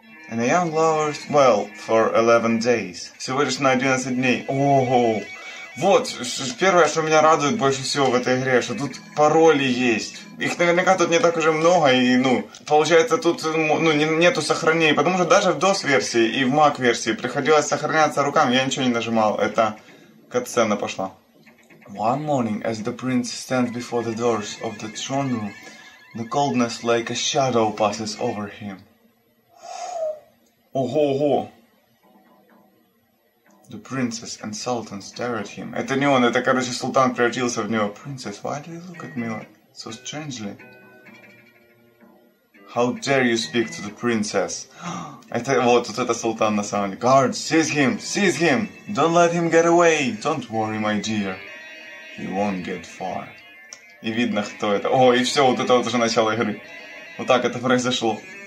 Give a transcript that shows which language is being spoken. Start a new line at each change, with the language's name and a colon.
English: And a young lover, well, for 11 days.
Russian: Всего лишь на 11 дней. Ого! Вот, первое, что меня радует больше всего в этой игре, что тут пароли есть. Их наверняка тут не так уже много, и, ну, получается, тут, ну, нету сохранений. Потому что даже в DOS-версии и в Mac-версии приходилось сохраняться руками. Я ничего не нажимал. Это катсцена пошла.
English: One morning, as the prince stands before the doors of the throne room, the coldness like a shadow passes over him.
Russian: Ого-го!
English: The princess and sultan stare at him.
Russian: Это не он, это, короче, султан превратился в него.
English: Princess, why do you look at me so strangely? How dare you speak to the princess?
Russian: Это, вот, вот это султан на самом деле.
English: Guards, seize him! Seize him! Don't let him get away! Don't worry, my dear. He won't get far.
Russian: И видно, кто это. О, и все, вот это вот уже начало игры. Вот так это произошло.